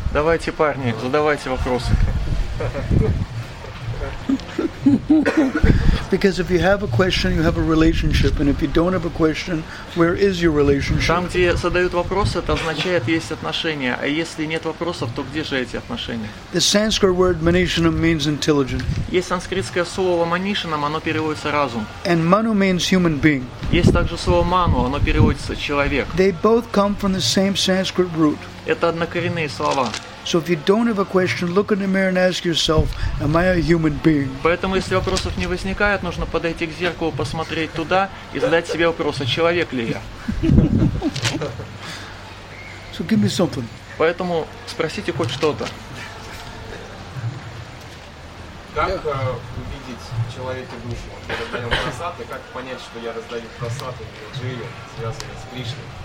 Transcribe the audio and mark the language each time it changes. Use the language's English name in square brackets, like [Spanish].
[Russian] Давайте, парни, задавайте вопросы. [English] Because if you have a question, you have a relationship, and if you don't have a question, where is your relationship? [Russian] Там, где задают вопросы, это означает, есть отношения. А если нет вопросов, то где же эти отношения? [English] The Sanskrit word manishanam means intelligent. [Russian] Есть санскритское слово manishanam, оно переводится разум. [English] And manu means human being. [Russian] Есть также слово manu, оно переводится человек. [English] They both come from the same Sanskrit root. [Russian] Это однокоренные слова. [English] So if you don't have a question, look in the mirror and ask yourself, am I a human being? [Russian] Поэтому если вопросов не возникает, нужно подойти к зеркалу, посмотреть туда и задать себе вопрос, а человек ли я? [English] So give me something. [Russian] Поэтому спросите хоть что-то. Как увидеть человека душу? Раздаем просад, и как понять, что я раздаю просад или джили, связанные с Кришной?